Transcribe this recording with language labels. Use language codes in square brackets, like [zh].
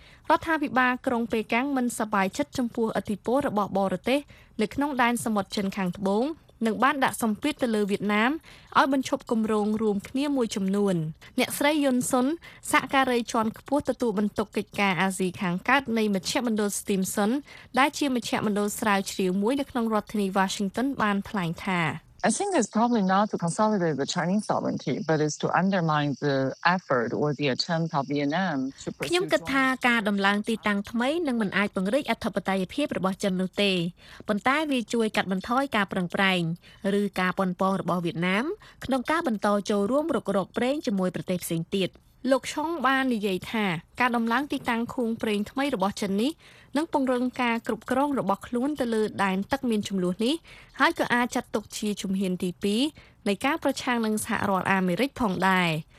[km] រដ្ឋាភិបាលក្រុងប៉េកាំងមិនសប្បាយចិត្តចំពោះឥទ្ធិពលរបស់បរទេសនៅក្នុងដែនសមុទ្រចិនខាងត្បូងនិងបានដាក់សម្ពាធទៅលើវៀតណាមឲ្យបញ្ឈប់គម្រោងរួមគ្នាមួយចំនួនអ្នកស្រីយុនសុនសហការីជាន់ខ្ពស់ទទួលបន្ទុកកិច្ចការអាស៊ីខាងកើតនៃមជ្ឈមណ្ឌល Stimson ដែលជាមជ្ឈមណ្ឌលស្រាវជ្រាវមួយនៅក្នុងរដ្ឋធានី Washington បានថ្លែងថា [en] I think it's probably not to consolidate the Chinese sovereignty but is to undermine the effort or the attempt of Vietnam to pursue [km] ខ្ញុំគិតថាការដំឡើងទីតាំងថ្មីនឹងមិនអាចពង្រីកអធិបតេយ្យភាពរបស់ចិននោះទេប៉ុន្តែវាជួយកាត់បន្ថយការប្រឹងប្រែងឬការប៉ុនប៉ងរបស់វៀតណាមក្នុងការបន្តចូលរួមរុករកប្រេងជាមួយប្រទេសផ្សេងទៀតលោកឆុងបាននិយាយថាការដំឡើងទីតាំងខួងប្រេងថ្មីរបស់ចិននេះនឹងពង្រឹងការគ្រប់គ្រងរបស់ខ្លួនទៅលើដែនទឹកមានចំនួននេះហើយក៏អាចចាត់ទុកជាជំហានទី2នៃការប្រឆាំងនឹងសហរដ្ឋអាមេរិកផងដែរ